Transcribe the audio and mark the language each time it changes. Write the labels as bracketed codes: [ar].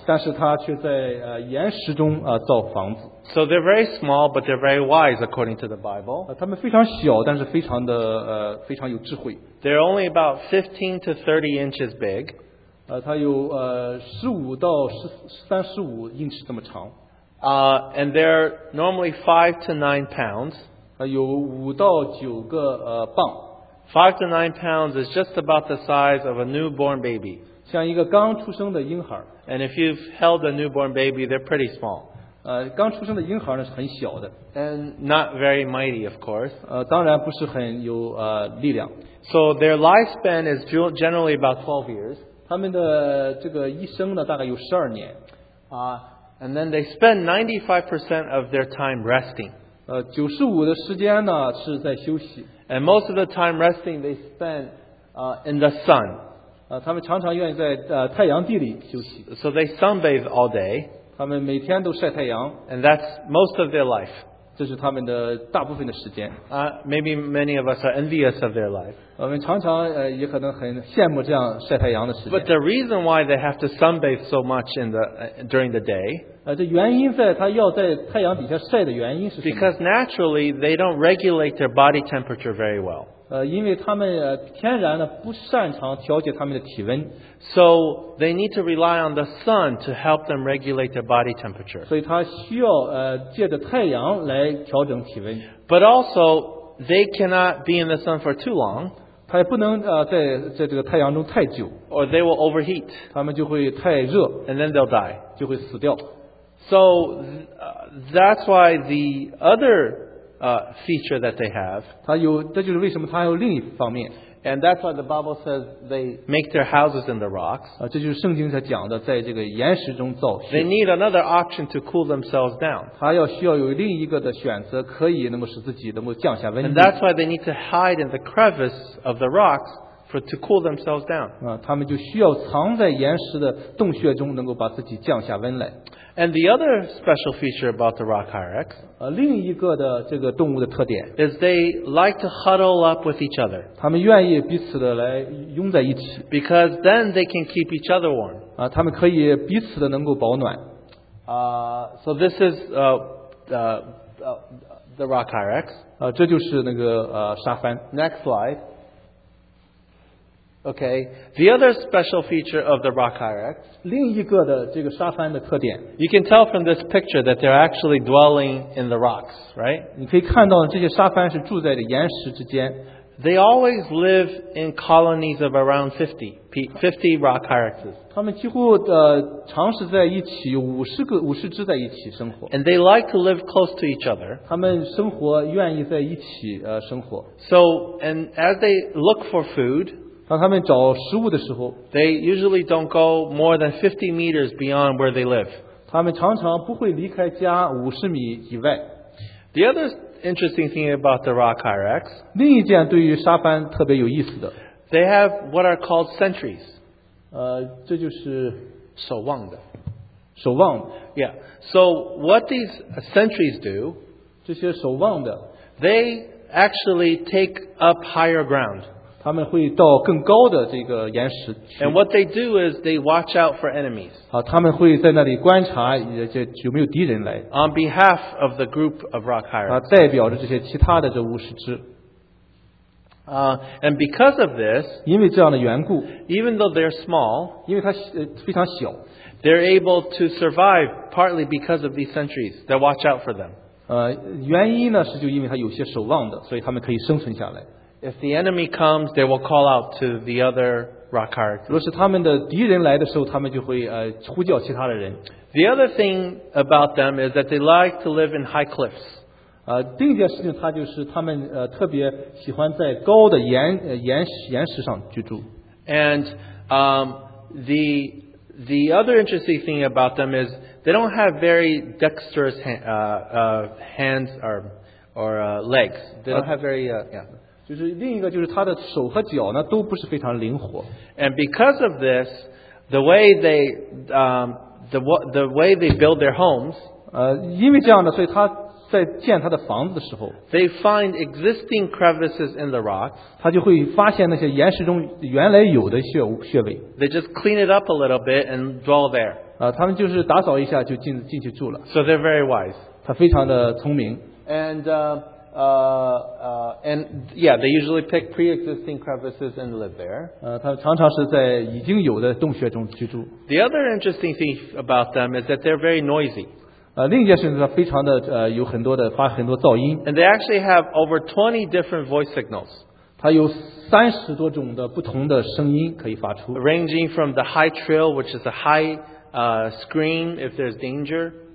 [zh] 但是他却在岩石中造房子。 [en] So they're very small, but they're very wise according to the Bible. [zh] 他们非常小，但是非常有智慧。 [en] They're only about 15 to 30 inches big. [zh] 它有15到13-15英尺这么长。 [en] And they're normally 5 to 9 pounds. [zh] 有5到9个, 磅。 [en] 5 to 9 pounds is just about the size of a newborn baby. [zh] 像一个刚出生的婴孩。 [en] And if you've held a newborn baby, they're pretty small. [zh] 刚出生的婴孩呢, 是很小的。 [en] And not very mighty, of course. [zh] 当然不是很有, 力量。 [en] So their lifespan is generally about 12 years. [zh] 他们的这个一生呢, 大概有12年。 [en] And then they spend 95% of their time resting. [zh] 95%的时间呢, 是在休息。 [en] And most of the time resting, they spend in the sun. [zh] 他们常常愿意在, 太阳地里休息。 [en] So they sunbathe all day. [zh] 他们每天都晒太阳。 [en] And that's most of their life. [zh] 这是他们的大部分的时间。 [en] Maybe many of us are envious of their life. [zh] 我们常常, 也可能很羡慕这样晒太阳的时间。 [en] But the reason why they have to sunbathe so much in the, during the day, [zh] 这原因在他要在太阳底下晒的原因是什么? [en] Because naturally, they don't regulate their body temperature very well. [zh] 因为他们, 天然的, 不擅长调节他们的体温。 [en] So they need to rely on the sun to help them regulate their body temperature. [zh] 所以他需要, 借着太阳来调整体温。 [en] But also, they cannot be in the sun for too long. [zh] 他也不能, 在这个太阳中太久。 [en] Or they will overheat. [zh] 他们就会太热。 [en] And then they'll die. [zh] 就会死掉。 [en] So that's why the other feature that they have, [zh] 它有这就是为什么它有另一方面, [en] and that's why the Bible says they make their houses in the rocks. [zh] 这就是圣经才讲的, 在这个岩石中造穴, [en] they need another option to cool themselves down. [zh] 它要需要有另一个的选择, 可以那么使自己能够降下温度, [en] and that's why they need to hide in the crevice of the rocks for to cool themselves down. [zh] 他们就需要藏在岩石的洞穴中能够把自己降下温来。 [en] And the other special feature about the rock hyrax, [zh] 另一个的这个动物的特点, [en] is they like to huddle up with each other. [zh] 他们愿意彼此的来拥在一起, [en] because then they can keep each other warm. [zh] 他们可以彼此的能够保暖。 [en] So this is the rock hyrax. [zh] 这就是那个, 沙帆。 [en] Next slide. Okay, the other special feature of the rock hyrax, [zh] 另一个的这个沙帆的特点, [en] you can tell from this picture that they're actually dwelling in the rocks, right? [zh] 你可以看到这些沙帆是住在的岩石之间。 [en] They always live in colonies of around 50 rock hyraxes. [zh] 他们几乎长时在一起,50只在一起生活。 [en] And they like to live close to each other. [zh] 他们生活愿意在一起生活。 [en] So, and as they look for food, [zh] 当他们找食物的时候, [en] they usually don't go more than 50 meters beyond where they live. [zh] 他们常常不会离开家50米以外。 [en] The other interesting thing about the rock hyrax, [zh] 另一件对于沙帆特别有意思的, [en] they have what are called sentries. [zh] 这就是守望的。守望的。 [en] Yeah. So what these sentries do, [zh] 这些守望的, [en] they actually take up higher ground. [zh] 他们会到更高的这个岩石区。 [en] And what they do is they watch out for enemies. [zh] 他们会在那里观察有没有敌人来。 [en] On behalf of the group of rock hyrax. [zh] 代表着这些其他的这50只。 [en] And because of this, [zh] 因为这样的缘故, [en] even though they're small, [zh] 因为它非常小, [en] they're able to survive partly because of these sentries that watch out for them. [zh] 原因呢, 是就因为它有些守望的, 所以他们可以生存下来。 [en] If the enemy comes, they will call out to the other rock hyraxes. [zh] 若是他们的敌人来的时候, 他们就会, 呼叫其他的人。 [en] The other thing about them is that they like to live in high cliffs. [zh] 另一件事情它就是他们, 特别喜欢在高的岩, 岩石上居住。 [en] And the other interesting thing about them is they don't have very dexterous hands or legs. They don't have very... [zh] 就是另一个就是他的手和脚呢都不是非常灵活。 [en] And because of this, the way they build their homes, [zh] 因为这样的，所以他在建他的房子的时候, [en] they find existing crevices in the rocks. [zh] 他就会发现那些岩石中原来有的穴位。 [en] They just clean it up a little bit and dwell there. [zh] 他们就是打扫一下就进去住了。 [en] So they're very wise. [zh] 他非常的聪明。 [en] And they usually pick pre-existing crevices and live there. [zh] 他常常是在已经有的洞穴中居住。 [en] The other interesting thing about them is that they're very noisy. [zh] 另一件事情是非常的有很多的发很多噪音。 [en] And they actually have over 20 different voice signals. [zh] 它有30多种的不同的声音可以发出。 [en] Ranging from the high trill, which is a high scream if there's danger.